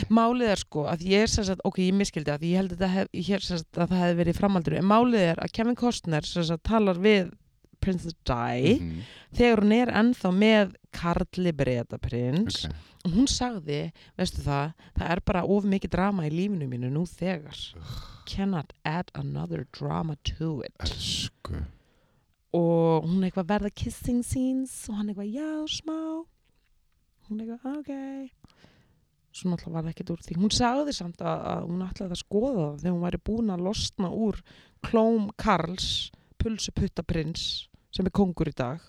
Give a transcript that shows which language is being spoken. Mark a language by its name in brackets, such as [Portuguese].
[Icelandic] Málið sko, að ég sem sagt, ok, ég miskildi að ég held að, að það hefði verið framhaldur. En málið að Kevin Costner sem sagt talar við Princess Di þegar hún ennþá með Karli Breta prins. Okay. Og hún sagði, veistu það, það er bara of mikið drama í lífinu mínu nú þegar. [English] Cannot add another drama to it. [Icelandic] Elsku. Og hún eitthvað verða kissing scenes og hann eitthvað, já, smá. Hún eitthvað, ok. Svo náttúrulega var það ekkert úr því. Hún sagði samt að hún ætlaði að skoða það þegar hún væri búin að losna úr klóm Karls, pulsuputtaprins, sem er kóngur í dag.